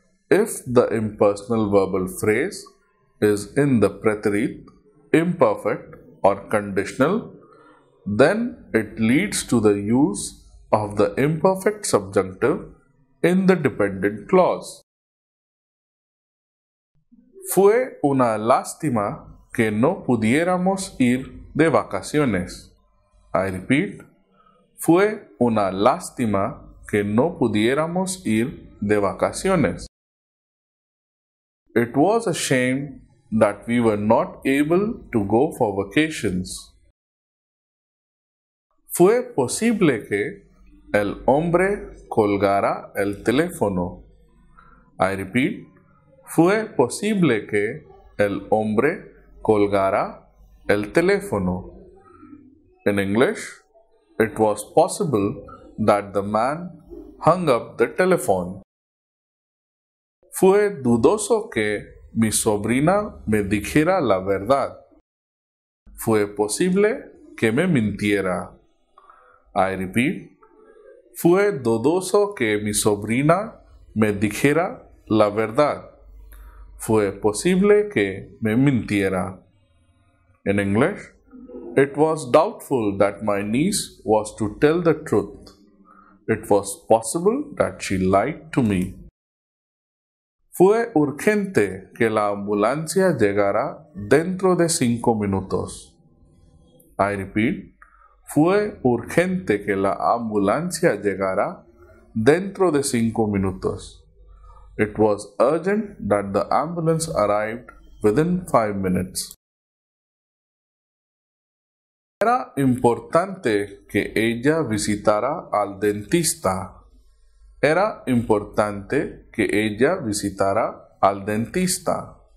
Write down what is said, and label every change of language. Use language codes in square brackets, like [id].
[en] If the impersonal verbal phrase is in the pretérito, imperfect or conditional, then it leads to the use of the imperfect subjunctive in the dependent clause. [es] Fue una lástima que no pudiéramos ir de vacaciones. [en] I repeat, [es] fue una lástima que no pudiéramos ir de vacaciones. [en] It was a shame that we were not able to go for vacations. [es] Fue posible que el hombre colgara el teléfono. [en] I repeat, [es] fue posible que el hombre colgara el teléfono. [en] In English, it was possible that the man hung up the telephone. [es] Fue dudoso que mi sobrina me dijera la verdad. Fue posible que me mintiera. [en] I repeat, [es] fue dudoso que mi sobrina me dijera la verdad. Fue posible que me mintiera. [en] In English, it was doubtful that my niece was to tell the truth. It was possible that she lied to me. [es] Fue urgente que la ambulancia llegara dentro de 5 minutos. [en] I repeat, [es] fue urgente que la ambulancia llegara dentro de 5 minutos. [en] It was urgent that the ambulance arrived within 5 minutes. [es] Era importante que ella visitara al dentista. Era importante que ella visitara al dentista.